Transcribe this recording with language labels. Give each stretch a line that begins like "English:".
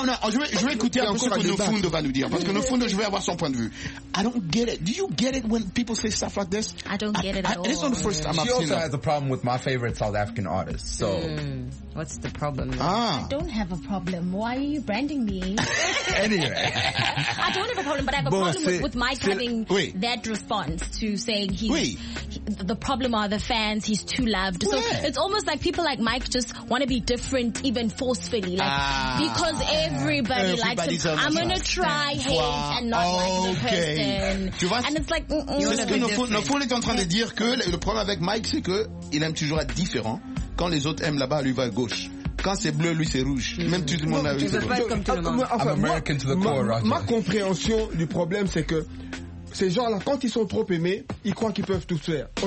French: Je vais écouter un peu ce que Nofundo va nous dire. Parce que Nofundo, je vais avoir son point de vue.
English: I don't get it. Do you get it when people say stuff like this? I don't get it at all. This is not the first time I've seen it. She also has a problem with my favorite South African artist. So. What's the problem? I don't have a problem. Why are you branding me? Anyway. I don't have a problem, but I have a problem with Mike having that response to saying he's... The problem are the fans, he's too loved. So it's almost like people like Mike just want to be different even forcefully. Like because everybody likes him. I'm going to try hate and not like the person. And it's like...
French: Nofoul est en train de dire que le problème avec Mike, c'est qu'il aime toujours être différent. Quand les autres aiment là-bas, lui va à gauche. Quand c'est bleu, lui c'est rouge. Même tout le monde a vu. Ma compréhension du problème, c'est que ces gens-là, quand ils sont trop aimés, ils croient qu'ils peuvent tout faire.